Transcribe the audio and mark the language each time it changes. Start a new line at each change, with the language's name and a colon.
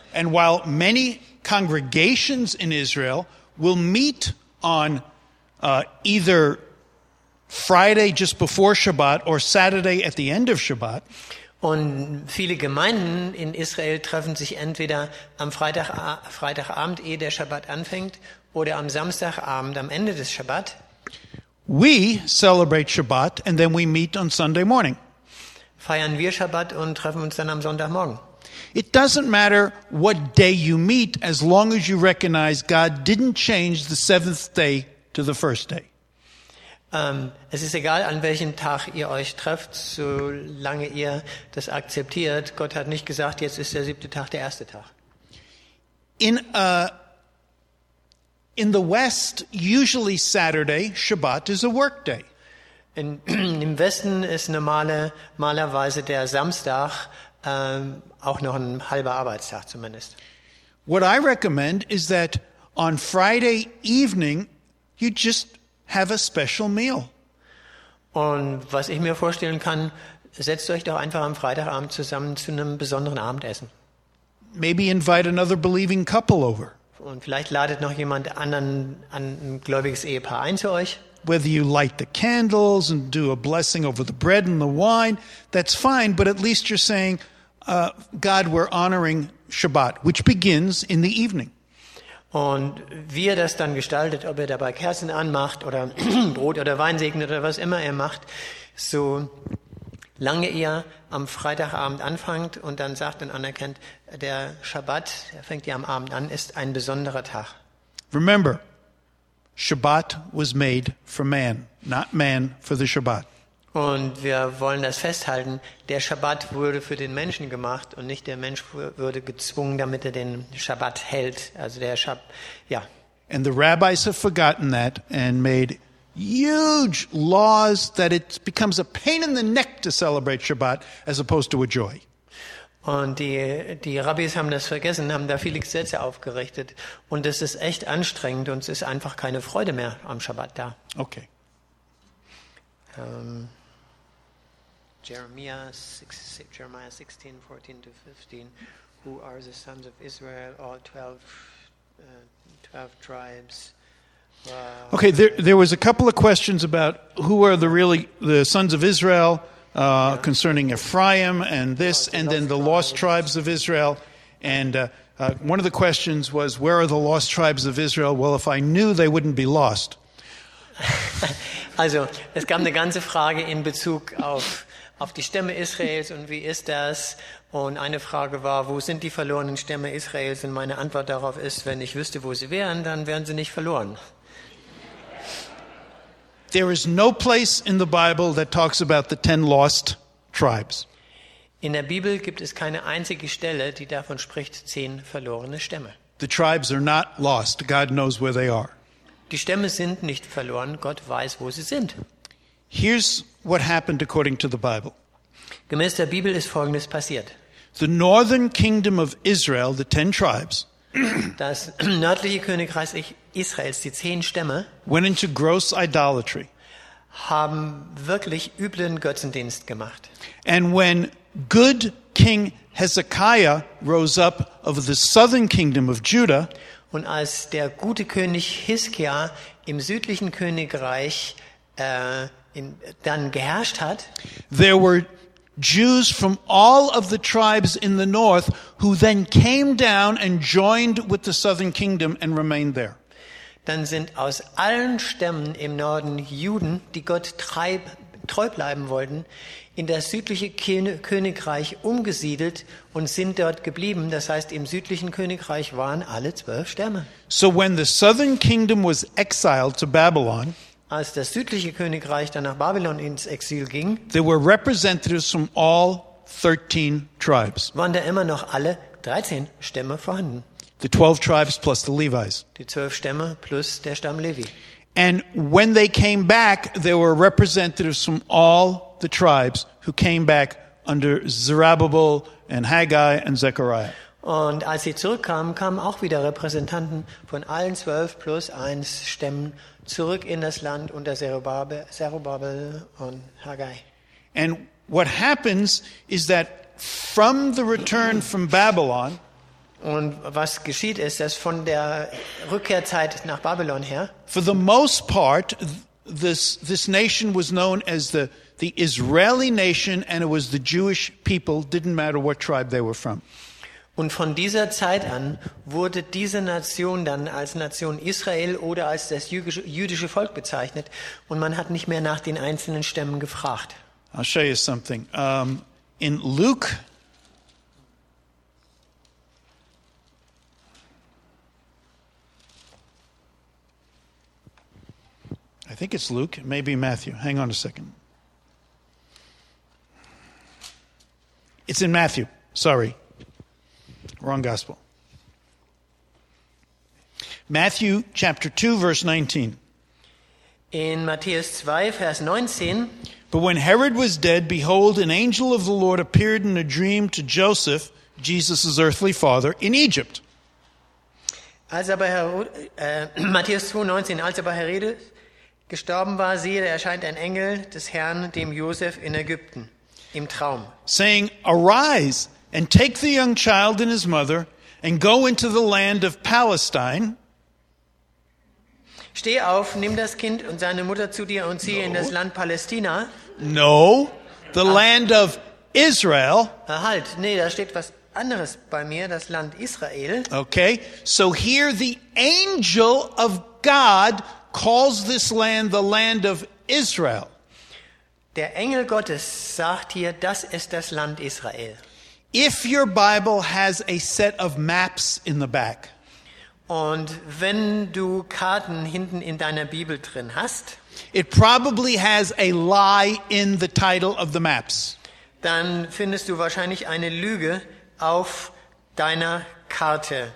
English: And while many congregations in Israel will meet on either Friday just before Shabbat or Saturday at the end of Shabbat.
German: Und viele Gemeinden in Israel treffen sich entweder am Freitagabend, ehe der Shabbat anfängt, oder am Samstagabend am Ende des Shabbat.
English: We celebrate Shabbat and then we meet on Sunday morning.
German: Feiern wir Shabbat und treffen uns dann am Sonntagmorgen.
English: It doesn't matter what day you meet, as long as you recognize God didn't change the seventh day to the first day.
German: Es ist egal, an welchem Tag ihr euch trefft, solange ihr das akzeptiert. Gott hat nicht gesagt, jetzt ist der siebte Tag der erste Tag.
English: In the West, usually Saturday, Shabbat is a work day.
German: Im Westen ist normalerweise der Samstag auch noch ein halber Arbeitstag zumindest.
English: What I recommend is that on Friday evening, you just have a special meal.
German: Und was ich mir vorstellen kann, setzt euch doch einfach am Freitagabend zusammen zu einem besonderen Abendessen.
English: Maybe invite another believing couple over.
German: Und vielleicht ladet noch jemand anderen, ein gläubiges Ehepaar ein zu euch.
English: Whether you light the candles and do a blessing over the bread and the wine, that's fine, but at least you're saying, God, we're honoring Shabbat, which begins in the evening.
German: Und wie ihr das dann gestaltet, ob ihr dabei Kerzen anmacht oder Brot oder Wein segnet oder was immer ihr macht, so lange ihr am Freitagabend anfangt und dann sagt und anerkennt, der Shabbat, der fängt ja am Abend an, ist ein besonderer Tag.
English: Remember, Shabbat was made for man, not man for the Shabbat.
German: Und wir wollen das festhalten, der Shabbat wurde für den Menschen gemacht und nicht der Mensch wurde gezwungen, damit er den Shabbat hält. Also der Shabbat, ja.
English: And the rabbis have forgotten that and made huge laws that it becomes a pain in the neck to celebrate Shabbat as opposed to a joy.
German: Und die Rabbis haben das vergessen, haben da viele Gesetze aufgerichtet und es ist echt anstrengend und es ist einfach keine Freude mehr am Shabbat da.
English: Okay. Jeremiah 16, 14 to 15, who are the sons of Israel, all 12 tribes. Okay, there was a couple of questions about who are the sons of Israel, concerning Ephraim and this, and then the lost tribes of Israel. And one of the questions was, where are the lost tribes of Israel? Well, if I knew, they wouldn't be lost.
German: Also, es kam eine ganze Frage in Bezug auf die Stämme Israels und wie ist das? Und eine Frage war, wo sind die verlorenen Stämme Israels? Und meine Antwort darauf ist, wenn ich wüsste, wo sie wären, dann wären sie nicht verloren.
English: There is no place in the Bible that talks about the 10 lost tribes.
German: In der Bibel gibt es keine einzige Stelle, die davon spricht, 10 verlorene Stämme.
English: The tribes are not lost. God knows where they are.
German: Die Stämme sind nicht verloren. Gott weiß, wo sie sind.
English: Here's what happened according to the Bible.
German: Gemäß der Bibel ist Folgendes passiert.
English: The northern kingdom of Israel, the 10 tribes,
German: das nördliche Königreich Israels, die 10 Stämme,
English: went into gross idolatry.
German: Haben wirklich üblen Götzendienst gemacht.
English: And when good King Hezekiah rose up over the southern kingdom of Judah,
German: und als der gute König Hiskia im südlichen Königreich dann geherrscht hat,
English: there were Jews from all of the tribes in the north who then came down and joined with the southern kingdom and remained there.
German: Dann sind aus allen Stämmen im Norden Juden, die Gott treu bleiben wollten, in das südliche Königreich umgesiedelt und sind dort geblieben. Das heißt, im südlichen Königreich waren alle 12 Stämme.
English: So when the southern kingdom was exiled to Babylon,
German: als das südliche Königreich dann nach Babylon ins Exil ging,
English: there were representatives from all 13 tribes.
German: Waren da immer noch alle 13 Stämme vorhanden.
English: The 12 tribes plus the Levites.
German: Die 12 Stämme plus der Stamm Levi.
English: And when they came back, there were representatives from all the tribes who came back under Zerubbabel and Haggai and Zechariah.
German: Und als sie zurückkamen, kamen auch wieder Repräsentanten von allen 12 plus 1 Stämmen zurück in das Land unter Zerubbabel und Haggai.
English: And what happens is that from the return from Babylon,
German: und was geschieht ist, dass von der Rückkehrzeit nach Babylon her,
English: for the most part, this nation was known as the Israeli nation, and it was the Jewish people, didn't matter what tribe they were from.
German: Und von dieser Zeit an wurde diese Nation dann als Nation Israel oder als das jüdische Volk bezeichnet, und man hat nicht mehr nach den einzelnen Stämmen gefragt.
English: I'll show you something. In Luke, I think it's Luke, maybe Matthew. Hang on a second. It's in Matthew. Sorry. Wrong gospel. Matthew chapter 2, verse 19.
German: In Matthäus 2, Vers 19.
English: But when Herod was dead, behold, an angel of the Lord appeared in a dream to Joseph, Jesus' earthly father, in Egypt.
German: Als aber Matthäus 2:19, als aber Herodes gestorben war, siehe, da erscheint ein Engel des Herrn, dem Josef in Ägypten, im Traum.
English: Saying, arise and take the young child and his mother and go into the land of Palestine.
German: Steh auf, nimm das Kind und seine Mutter zu dir und zieh in das Land Palästina.
English: No, the land of Israel.
German: Halt, nee, da steht was anderes bei mir, das Land Israel.
English: Okay, so here the angel of God calls this land the land of Israel.
German: Der Engel Gottes sagt hier, das ist das Land Israel.
English: If your Bible has a set of maps in the back,
German: und wenn du Karten hinten in deiner Bibel drin hast,
English: it probably has a lie in the title of the maps.
German: Dann findest du wahrscheinlich eine Lüge auf deiner Karte.